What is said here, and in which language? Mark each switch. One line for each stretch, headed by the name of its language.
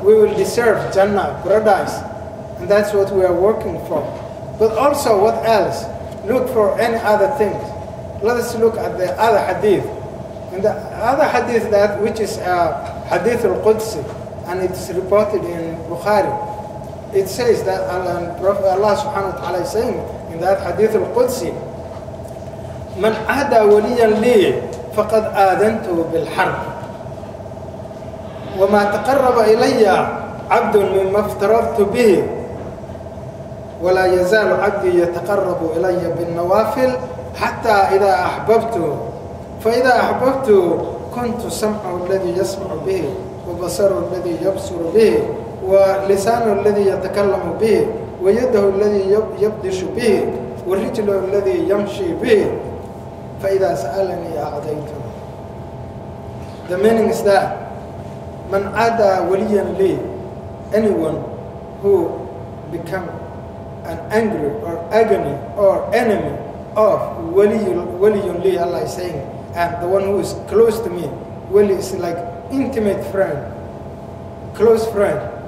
English: we will deserve Jannah, paradise. And that's what we are working for. But also, what else? Look for any other things. Let us look at the other hadith. And the other hadith that, which is Hadith al-Qudsi, and it's reported in Bukhari. It says that Allah subhanahu wa ta'ala is saying in that Hadith al-Qudsi,
Arabic: من عادى وليا لي فقد آذنته بالحرب وما تقرب إلي عبد مما افترضت به ولا يزال عبدي يتقرب إلي بالنوافل حتى إذا أحببته فإذا أحببته كنت سمعه الذي يسمع به وبصره الذي يبصر به ولسانه الذي يتكلم به ويده الذي يبدش به ورجله الذي يمشي به فإذا سألني أعطيته.
English: The meaning is that
Arabic: من عادى وليا لي,
English: anyone who become an angry or agony or enemy of ولي لي, Allah is saying, and the one who is close to me, ولي is like intimate friend, close friend.